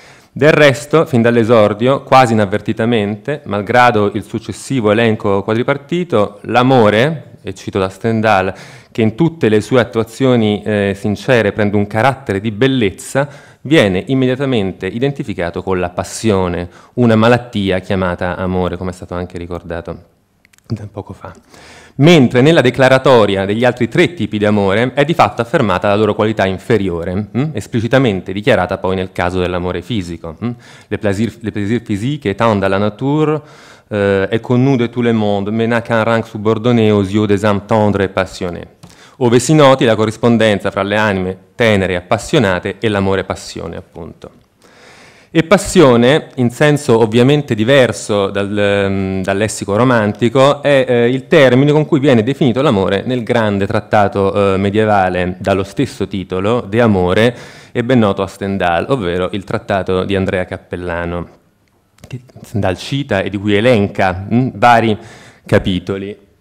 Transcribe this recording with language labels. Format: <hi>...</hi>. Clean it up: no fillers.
<it>Del resto, fin dall'esordio, quasi inavvertitamente, malgrado il successivo elenco quadripartito, l'amore, e cito da Stendhal, che in tutte le sue attuazioni sincere prende un carattere di bellezza, viene immediatamente identificato con la passione, una malattia chiamata amore, come è stato anche ricordato poco fa. Mentre nella declaratoria degli altri tre tipi di amore è di fatto affermata la loro qualità inferiore, esplicitamente dichiarata poi nel caso dell'amore fisico.</it> <fr>Le plaisir physique étant de la nature, et con nous de tout le monde, mais n'a qu'un rang subordonné aux yeux des âmes tendres et passionnées.</fr> <it>Ove si noti la corrispondenza fra le anime tenere e appassionate e l'amore passione, appunto. E passione, in senso ovviamente diverso dal lessico romantico, è il termine con cui viene definito l'amore nel grande trattato medievale dallo stesso titolo, De Amore, e ben noto a Stendhal, ovvero il trattato di Andrea Cappellano, che Stendhal cita e di cui elenca vari capitoli.</it>